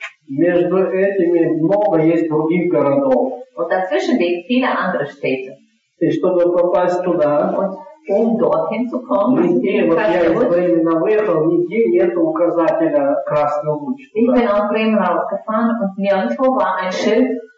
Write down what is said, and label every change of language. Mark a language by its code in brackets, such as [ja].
[ru] Между этими много есть других городов. [de] Вот dazwischen liegt viele andere Städte. [ru] И чтобы попасть туда, [de] dorthin zu kommen, [ru] нигде, вот я из Бремена выехал, нигде нет указателя Красный Луч. [de] Ich bin aus Bremen rausgefahren und nirgendwo war ein Schild.